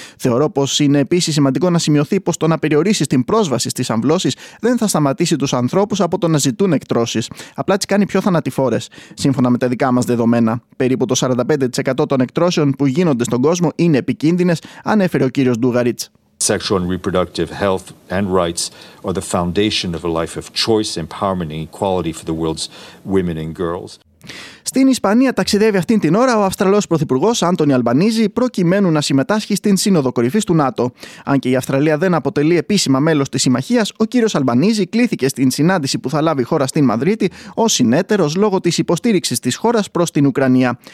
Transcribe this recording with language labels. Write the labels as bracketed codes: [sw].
[el] Θεωρώ πως είναι επίσης σημαντικό να σημειωθεί πως το να περιορίσεις την πρόσβαση στις αμβλώσεις δεν θα σταματήσει τους ανθρώπους από το να ζητούν εκτρώσεις. Απλά τις κάνει πιο θανατηφόρες, σύμφωνα με τα δικά μας δεδομένα. Περίπου το 45% των εκτρώσεων που γίνονται στον κόσμο είναι επικίνδυνες, ανέφερε ο κύριος Ντούγαριτς. [en] Sexual and reproductive health and rights are the foundation of a life of choice, empowerment and equality for the world's women and girls. [el] Στην Ισπανία ταξιδεύει αυτήν την ώρα ο Αυστραλός Πρωθυπουργός Άντωνι Αλμπανίζη, προκειμένου να συμμετάσχει στην Σύνοδο Κορυφής του ΝΑΤΟ. Αν και η Αυστραλία δεν αποτελεί επίσημα μέλος της συμμαχίας, ο κύριος Αλμπανίζη κλήθηκε στην συνάντηση που θα λάβει η χώρα στην Μαδρίτη ως συνέτερος λόγω της υποστήριξης της χώρας προς την Ουκρανία.